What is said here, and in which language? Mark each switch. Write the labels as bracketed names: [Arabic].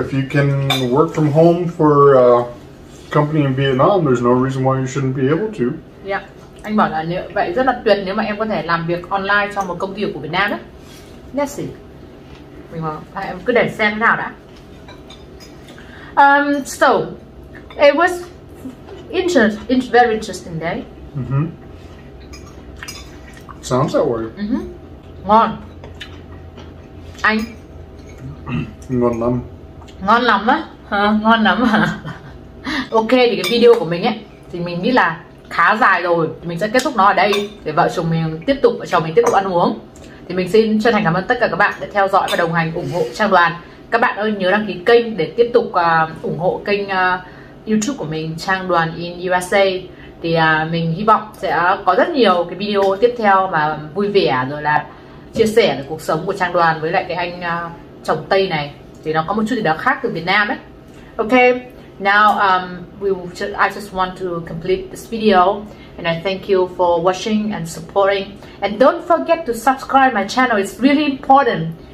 [English] If you can work from home for a company in Vietnam, there's no reason why you shouldn't be able to. Yeah. [Vietnamese] Anh bảo là nếu vậy rất là tuyệt nếu mà em có thể làm việc online cho một công ty của Việt Nam đó. Yes. Mình bảo em cứ để xem thế nào đã. [English] So it was interesting, very interesting day. Sounds that way. [Vietnamese] Ngon. Anh. Ngon lắm. Ngon lắm á. Ngon lắm hả? Ok, thì cái video của mình ấy thì mình nghĩ là khá dài rồi, thì mình sẽ kết thúc nó ở đây để vợ chồng mình tiếp tục ăn uống. Thì mình xin chân thành cảm ơn tất cả các bạn đã theo dõi và đồng hành ủng hộ Trang Đoàn. Các bạn ơi nhớ đăng ký kênh để tiếp tục ủng hộ kênh YouTube của mình Trang Đoàn in USA. Thì mình hy vọng sẽ có rất nhiều cái video tiếp theo mà vui vẻ rồi là chia sẻ về cuộc sống của Trang Đoàn với lại cái anh chồng Tây này, thì nó có một chút gì đó khác từ Việt Nam ấy. Ok. [English] Now I just want to complete this video and I thank you for watching and supporting, and don't forget to subscribe my channel. It's really important